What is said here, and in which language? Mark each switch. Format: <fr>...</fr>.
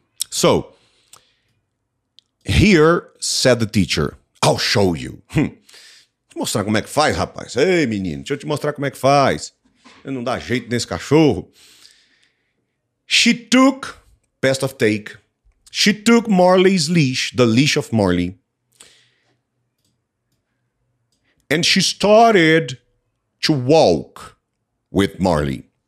<en>So, here, said the teacher, I'll show you.</en> <pt>Mostrar como é que faz, rapaz. Ei, menino, deixa eu te mostrar como é que faz. Não dá jeito nesse cachorro.</pt> <en>She took, best of take, she took Marley's leash, the leash of Marley, and she started to walk with Marley.</en>